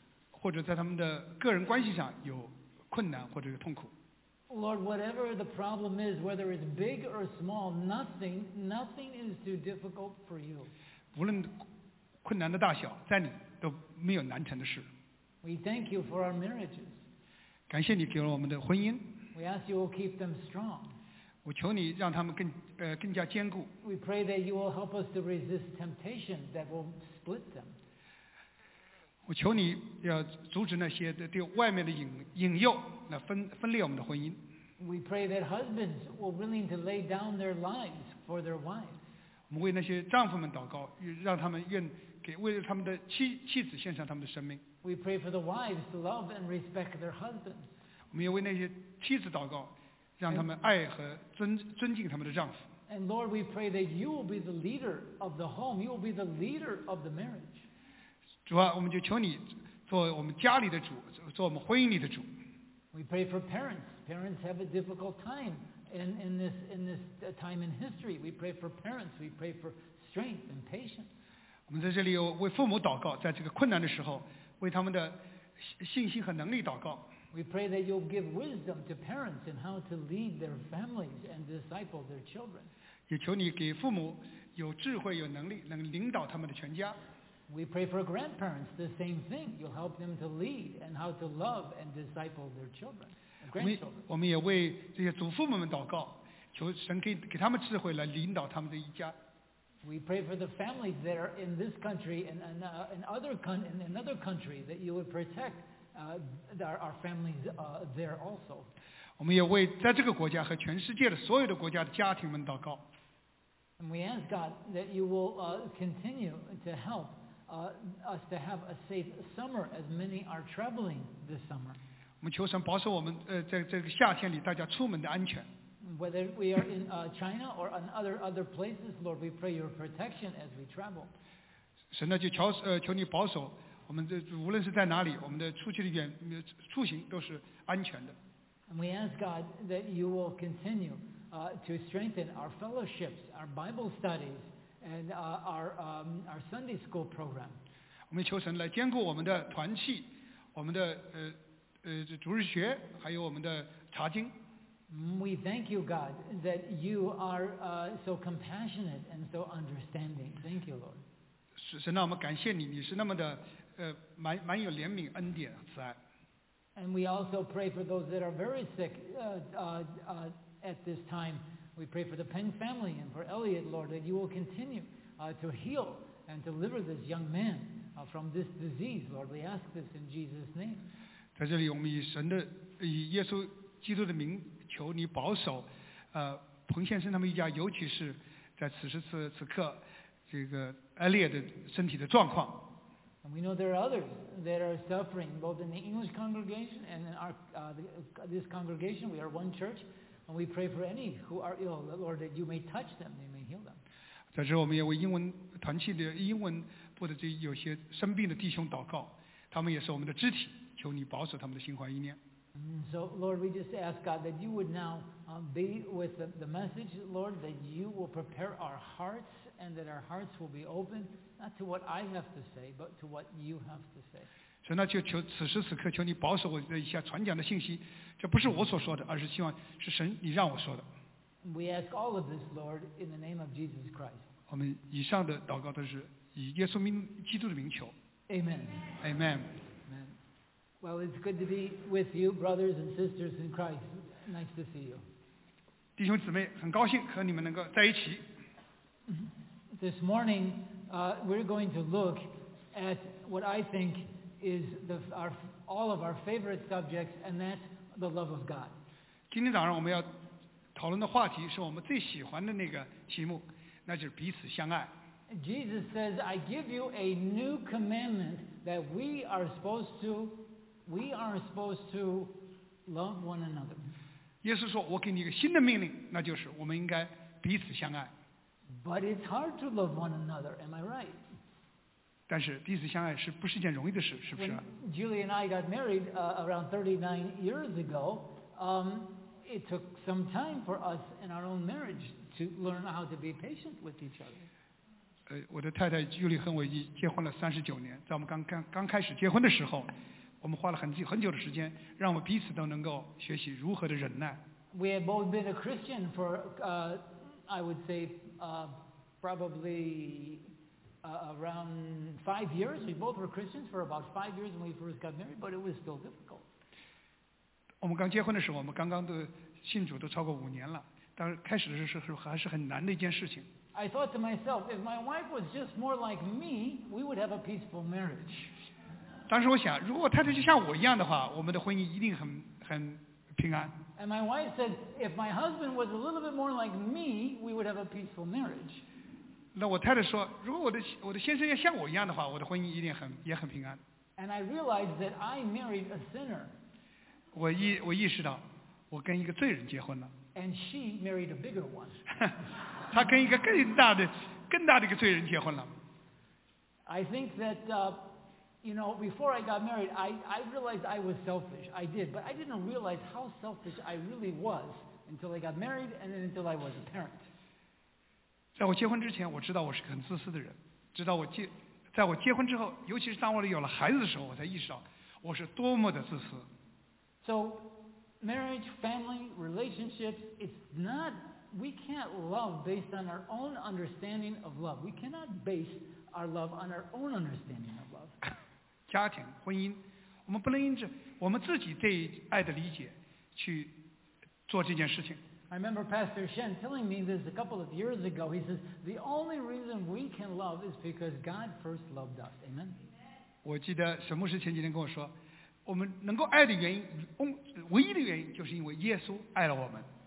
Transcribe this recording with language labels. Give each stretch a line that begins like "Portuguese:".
Chinese: 或者在他们的个人关系上有困难或者有痛苦。
English: Lord, whatever the problem is, whether it's big or small, nothing is too difficult for you.
Chinese: 无论困难的大小，在你都没有难成的事。
English: We thank you for our marriages.
Chinese: 感谢你给了我们的婚姻。
English: We ask you will keep them strong.
Chinese: 我求你让他们更加坚固。
English: We pray that you will help us to resist temptation that will split them.
Chinese: 我求你要阻止那些对外面的引诱，来分裂我们的婚姻。
English: We pray that husbands will willing to lay down their lives for their wives.
Chinese: 我们为那些丈夫们祷告，让他们愿给为他们的妻子献上他们的生命。
English: We pray for the wives to love and respect their husbands.
Chinese: 我们也为那些妻子祷告，让他们爱和尊敬他们的丈夫。
English: And Lord, we pray that you will be the leader of the home. You will be the leader of the marriage.
Chinese: 主啊，我们就求你做我们家里的主，做我们婚姻里的主。
English: We pray for parents. Parents have a difficult time. In this time in history, we pray for parents. We pray for strength and patience.
Chinese: 我们在这里有为父母祷告，在这个困难的时候，为他们的信心和能力祷告。
English: We pray that you'll give wisdom to parents in how to lead their families and disciple their children.
Chinese: 也求你给父母有智慧、有能力，能领导他们的全家。
English: We pray for grandparents the same thing. You'll help them to lead and how to love and disciple their children.
Chinese: 我们也为这些祖父母们祷告，求神给他们智慧来领导他们的一家。
English: We pray for the families that are in this country and in other countries that you would protect our families there also.
Chinese: 我们也为在这个国家和全世界的所有的国家的家庭们祷告。
English: And we ask God that you will continue to help us to have a safe summer as many are traveling this summer.
Chinese: 我们求神保守我们在这个夏天里大家出门的安全。
English: Whether we are in China or in other places, Lord, we pray your protection as we travel.
Chinese: 神呢就求你保守我们这无论是在哪里，我们的出行都是安全的。
English: And we ask God that you will continue to strengthen our fellowships, our Bible studies, and our Sunday school program.
Chinese: 我们求神来坚固我们的团契，我们的主日学，还有我们的查经。
English: We thank you, God, that you are so compassionate and so understanding. Thank you, Lord.
Chinese: 神啊，我们感谢你，你是那么的蛮有怜悯、恩典、慈爱。
English: And we also pray for those that are very sick at this time. We pray for the Peng family and for Elliot, Lord, that you will continue to heal and deliver this young man from this disease. Lord, we ask this in Jesus' name.
Chinese: 在这里我们以耶稣基督的名求你保守彭先生他们一家，尤其是在此时此刻这个艾烈的身体的状况。
English: And we know there are others that are suffering both in the English congregation and in this congregation. We are one church and we pray for any who are ill, Lord, that you may touch them, you may heal them.
Chinese: 在这里我们也为英文团契的英文部的这有些生病的弟兄祷告，他们也是我们的肢体，求你保守他们的心怀意念。
English: So Lord, we just ask God that you would now be with the message, Lord, that you will prepare our hearts and that our hearts will be open, not to what I have to say, but to what you have to say.
Chinese: 神啊，就求此时此刻求你保守我的一下传讲的信息，这不是我所说的，而是希望是神你让我说的。
English: We ask all of this, Lord, in the name of Jesus Christ.
Chinese: 我们以上的祷告都是以耶稣基督的名求。
English: Amen. Amen. Well, it's good to be with you, brothers and sisters in Christ. Nice to see you.
Chinese: 弟兄姊妹，很高兴和你们能够在一起。
English: This morning, we're going to look at what I think is all of our favorite subjects, and that's the love of God.
Chinese: 今天早上我们要讨论的话题是我们最喜欢的那个题目，那就是彼此相爱。
English: Jesus says, I give you a new commandment that we are supposed to love one another.
Chinese: 耶稣说，我给你一个新的命令，那就是我们应该彼此相爱。
English: But it's hard to love one another, am I right?
Chinese: 但是彼此相爱是不是一件容易的事，是不是？
English: When Julie and I got married around 39 years ago, it took some time for us in our own marriage to learn how to be patient with each other.
Chinese: 我的太太尤丽和我结婚了39年，在我们刚开始结婚的时候，我们花了很久的时间，让我们彼此都能够学习如何的忍耐。
English: We have both been a Christian for, I would say, probably around 5 years. We both were Christians for about 5 years when we first got married, but it was still difficult.
Chinese: 我们刚结婚的时候，我们刚刚的信主都超过5年了，但是开始的时候还是很难的一件事情。
English: I thought to myself, if my wife was just more like me, we would have a peaceful marriage.
Chinese: 当时我想，如果太太就像我一样的话，我们的婚姻一定很平安。
English: And my wife said, if my husband was a little bit more like me, we would have a peaceful marriage.
Chinese: 那我太太说，如果我的先生要像我一样的话，我的婚姻一定也很平安。
English: And I realized that I married a sinner.
Chinese: 我意识到，我跟一个罪人结婚了。
English: And she married a bigger one.
Chinese: 她跟一个更大的一个罪人结婚了。
English: I think that, you know, before I got married, I realized I was selfish. I did, but I didn't realize how selfish I really was until I got married and then until I was a parent.
Chinese: 在我结婚之前，我知道我是个很自私的人。直到在我结婚之后，尤其是当我有了孩子的时候，我才意识到我是多么的自私。
English: So. Marriage, family, relationships, it's not, we can't love based on our own understanding of love. We cannot base our love on our own understanding of love.
Chinese: 家庭婚姻我们不能因着我们自己对爱的理解去做这件事情。
English: I remember Pastor Shen telling me this a couple of years ago. He says, the only reason we can love is because God first loved us. Amen?
Chinese: 我记得沈牧师前几天跟我说我们能够爱的原因，唯一的原因就是因为耶稣爱了我们。